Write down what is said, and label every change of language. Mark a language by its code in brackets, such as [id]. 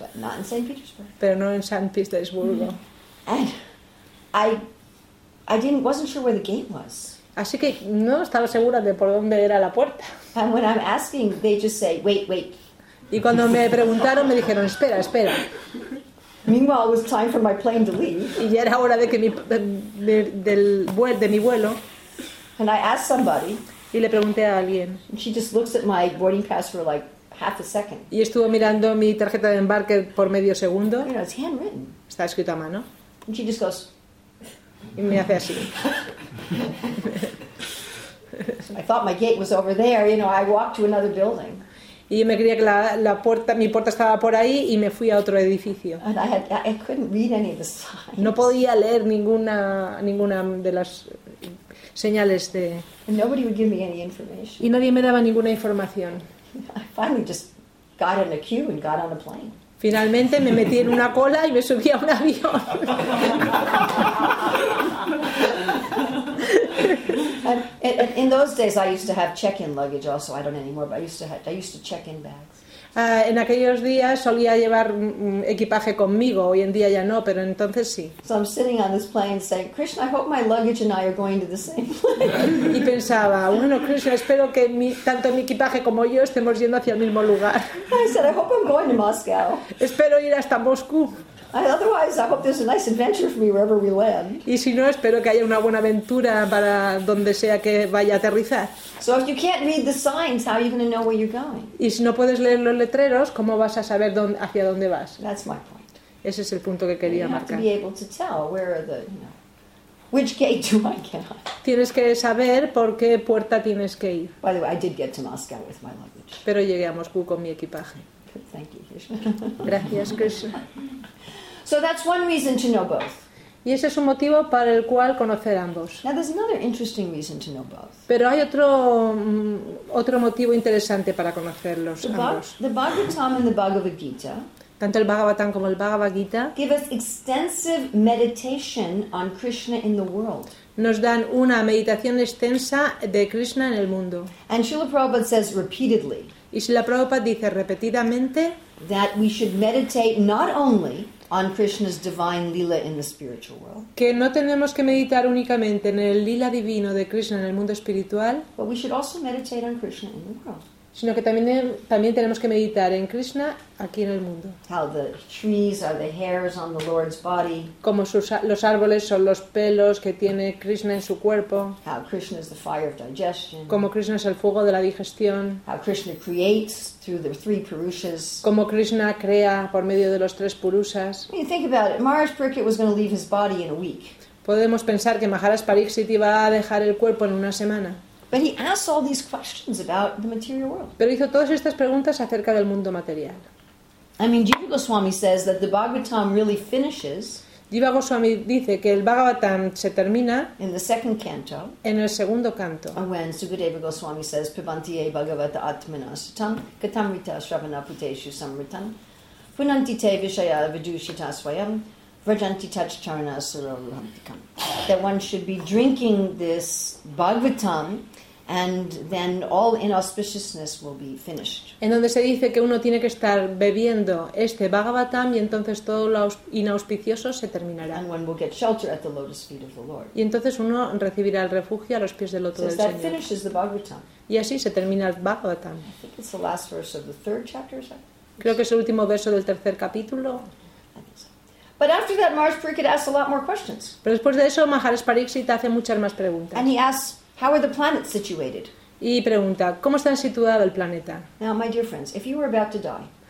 [en] But not in St. Petersburg. [es] Pero no en San Petersburgo. [en] And I wasn't sure where the gate was. [es] Así que no estaba segura de por dónde era la puerta. [en] And when I'm asking, they just say, wait, wait. [es] Y cuando me preguntaron, me dijeron, espera, espera. [en] Meanwhile, it was time for my plane to leave. [es] Y ya era hora de que mi vuelo. [en] And I asked somebody. [es] Y le pregunté a alguien. [en] She just looks at my boarding pass for like half a second. [es] Y estuvo mirando mi tarjeta de embarque por medio segundo. [en] You know, it's handwritten. [es] Está escrito a mano. [en] And she just goes. [es] Y me hace así. [en] I thought my gate was over there, you know, I walked to another building. [es] Y yo me creía que la puerta, mi puerta estaba por ahí y me fui a otro edificio. [en] And I couldn't read any of the signs. [es] No podía leer ninguna de las señales de. [en] And nobody would give me any information. [es] Y nadie me daba ninguna información. [en] I finally just got in a queue and got on a plane. [es] Finalmente me metí en una cola y me subí a un avión. [en] And in those days I used to have check-in luggage also. I don't anymore, but I used to check-in bags. [es] En aquellos días solía llevar equipaje conmigo. Hoy en día ya no, pero entonces sí. [en] So I'm sitting on this plane saying, Krishna, I hope my luggage and I are going to the same place. [es] Y pensaba, bueno, Krishna, espero que tanto mi equipaje como yo estemos yendo hacia el mismo lugar. [en] I said, I hope I'm going to Moscow. [es] Espero ir hasta Moscú. [en] Otherwise, I hope there's a nice adventure for me wherever we land. [es] Y si no, espero que haya una buena aventura para donde sea que vaya a aterrizar. [en] So if you can't read the signs, how are you going to know where you're going? [es] Y si no puedes leer los letreros, ¿cómo vas a saber hacia dónde vas? [en] That's my point. [es] Ese es el punto que quería marcar. [en] You have to be able to tell where are the, you know, which gate do I get on? [es] Tienes que saber por qué puerta tienes que ir. [en] By the way, I did get to Moscow with my luggage. [es] Pero llegué a Moscú con mi equipaje. [en] Thank you, Krishna. [es] Gracias, Krishna. [en] So that's one reason to know both. [es] Y ese es un motivo para el cual conocer ambos. [en] Now there's another interesting reason to know both. [es] Pero hay otro motivo interesante para conocerlos ambos. [en] The Bhagavatam and the Bhagavad Gita. [es] Tanto el Bhagavatam como el Bhagavad Gita. [en] Give us extensive meditation on Krishna in the world. [es] Nos dan una meditación extensa de Krishna en el mundo. [en] And Srila Prabhupada says repeatedly. [es] Y Srila Prabhupada dice repetidamente. [en] That we should meditate not only on Krishna's divine lila in the spiritual world. [es] Que no tenemos que meditar únicamente en el lila divino de Krishna en el mundo espiritual. [en] But we should also meditate on Krishna in the world. [es] sino que también tenemos que meditar en Krishna aquí en el mundo. [en] How the trees are the hairs on the Lord's body. [es] Como los árboles son los pelos que tiene Krishna en su cuerpo. [en] How Krishna is the fire of digestion. [es] Como Krishna es el fuego de la digestión. [en] How Krishna creates through the three purushas. [es] Como Krishna crea por medio de los tres purushas. [en] I mean, think about it. Maharaj Pariksit was going to leave his body in a week. [es] Podemos pensar que Maharaj Pariksit iba a dejar el cuerpo en una semana. [en] But he asked all these questions about the material world. [es] Pero hizo todas estas preguntas acerca del mundo material. [en] I mean, Jiva Goswami says that the Bhagavatam really finishes. [es] Jiva Goswami dice que el Bhagavatam se termina [en] in the second canto. [es] En el segundo canto. [sa] When Sukadeva Goswami says, "Pibantiye Bhagavata Atmana Sutam Katamrita Shravana Puteshu Samritam Punantite Vishaya Vidushita Swayam Vrajanti Tach Charana Sarovantikam." [en] That one should be drinking this Bhagavatam, and then all inauspiciousness will be finished. [es] En donde se dice que uno tiene que estar bebiendo este Bhagavatam y entonces todo lo inauspicioso se terminará. [en] And one will get shelter at the lotus feet of the Lord. [es] Y entonces uno recibirá el refugio a los pies del loto del Señor. [en] That finishes the Bhagavatam. [es] Y así se termina el Bhagavatam. [en] I think it's the last verse of the third chapter, is that? [es] Creo que es el último verso del tercer capítulo. [en] But after that, Maharaj Pariksit asks a lot more questions. [es] Pero después de eso, Maharaj Pariksit hace muchas más preguntas. [en] And he asks, "How are the planets situated?" [es] Y pregunta, ¿cómo está situado el planeta? [en] Now, my dear friends, if you were about to die,